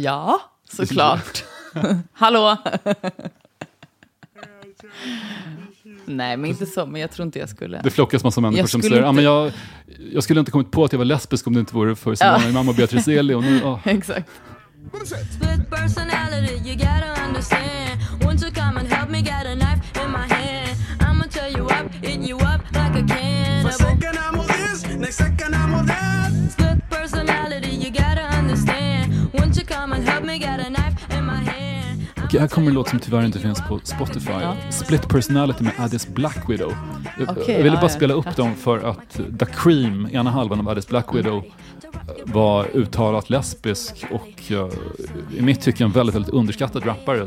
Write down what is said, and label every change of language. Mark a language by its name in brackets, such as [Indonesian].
[Swedish] Ja, såklart. Hallå? Nej, men inte så. Men jag tror inte jag skulle. Det flockas massa människor som säger inte... jag skulle inte kommit på att jag var lesbisk om det inte vore för Simon och mamma Beatrice Eli. Och nu, Exakt. [English] Split personality, you gotta understand. Won't you come and help me get a knife in my hand? I'ma tear you up, eat you up like a cannibal. First second I'm all this, next second I'm all that. Split personality, you gotta understand. Won't you come and help me get a knife in my hand? [Swedish] Okej, här kommer en låt som tyvärr inte finns på Spotify. Ja. Split Personality med Addis Black Widow. Jag ville bara spela upp dem för att The Cream, ena halvan av Addis Black Widow, var uttalat lesbisk och i mitt tycke en väldigt, väldigt underskattad rappare.